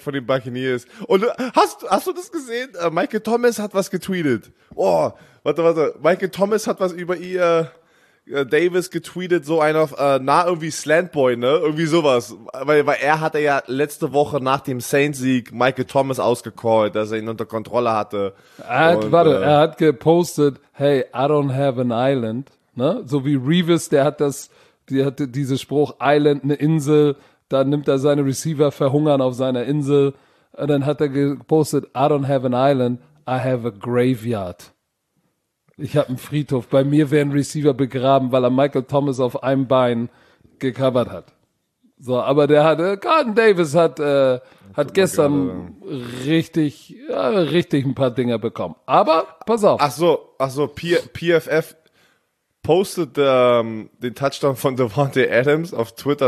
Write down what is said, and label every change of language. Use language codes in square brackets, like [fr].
[de] von den Buccaneers. Und hast du das gesehen? Michael Thomas hat was getweetet. Oh, warte. Michael Thomas hat was über ihr Davis getweetet, so einer, irgendwie Slantboy, ne? Irgendwie sowas. Weil er hatte ja letzte Woche nach dem Saints-Sieg Michael Thomas ausgecallt, dass er ihn unter Kontrolle hatte. Er hat gepostet, [en] hey, I don't have an island. [de] Ne? So wie Revis, der hatte diesen Spruch, Island, eine Insel. Da nimmt er seine Receiver, verhungern auf seiner Insel. Und dann hat er gepostet, [en] I don't have an island, I have a graveyard. [de] Ich habe einen Friedhof. Bei mir werden Receiver begraben, weil er Michael Thomas auf einem Bein gecovert hat. So, aber der hatte, Carlton Davis hat gestern richtig ein paar Dinger bekommen. Aber pass auf. Ach so, PFF postet den Touchdown von Davante Adams auf Twitter.